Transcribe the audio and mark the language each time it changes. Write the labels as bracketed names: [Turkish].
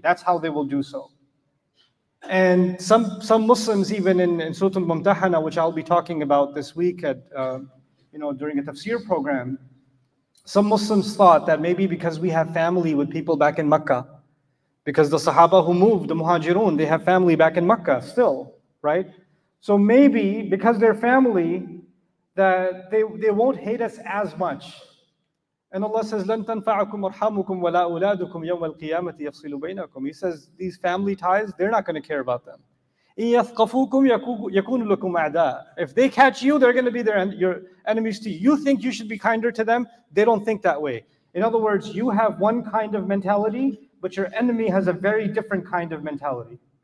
[English] That's how they will do so. And some Muslims, even in Surah Al-Mumtahana, which I'll be talking about this week at during a tafsir program, some Muslims thought that maybe because we have family with people back in Mecca, because the Sahaba who moved, the Muhajirun, they have family back in Mecca still, right? So maybe because they're family, that they won't hate us as much. [Arabic] And Allah says, لَن تَنْفَعَكُمْ أَرْحَمُكُمْ وَلَا أُولَادُكُمْ يَوْمَ الْقِيَامَةِ يَفْصِلُ بَيْنَكُمْ. [English] He says, these family ties, they're not going to care about them. [Arabic] إِن يَثْقَفُوكُمْ يَكُونُ لَكُمْ أَعْدَاءً. [English] If they catch you, they're going to be your enemies to you. You think you should be kinder to them, they don't think that way. In other words, you have one kind of mentality, but your enemy has a very different kind of mentality.